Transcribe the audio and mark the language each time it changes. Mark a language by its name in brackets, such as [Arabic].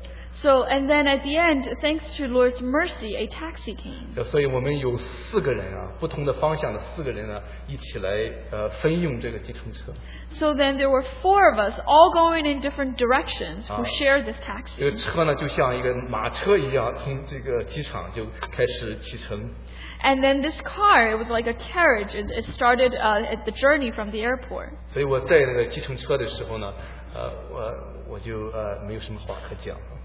[English] So, and then at the end, thanks to Lord's mercy, a taxi came. [Chinese] 所以我们有四个人啊，不同的方向的四个人呢，一起来分用这个计程车。 [English] So then there were four of us, all going in different directions, who shared this taxi. [Chinese] 这个车呢，就像一个马车一样，从这个机场就开始启程。 [English] And then this car, it was like a carriage, it started at the journey from the airport. [Chinese] 所以我在那个计程车的时候呢，我就没有什么话可讲。